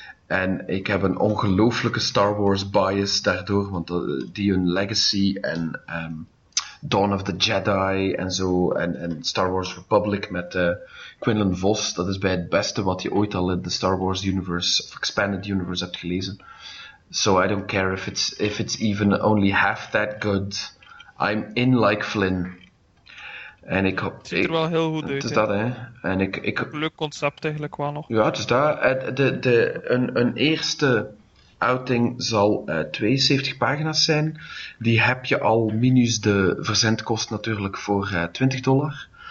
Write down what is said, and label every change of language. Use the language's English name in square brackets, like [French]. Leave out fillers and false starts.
[Dutch] En ik heb een ongelooflijke Star Wars bias daardoor, want Dune Legacy en Dawn of the Jedi en zo, en Star Wars Republic met Quinlan Vos, dat is bij het beste wat je ooit al in de Star Wars Universe of Expanded Universe hebt gelezen. [English] So I don't care if it's even only half that good. I'm in like Flynn. [Dutch] En ik, het ziet er wel heel goed uit. Het is dat, hè. En ik, leuk concept eigenlijk wel nog. Ja, het is dat. Een eerste outing zal 72 pagina's zijn. Die heb je al minus de verzendkost natuurlijk voor $20.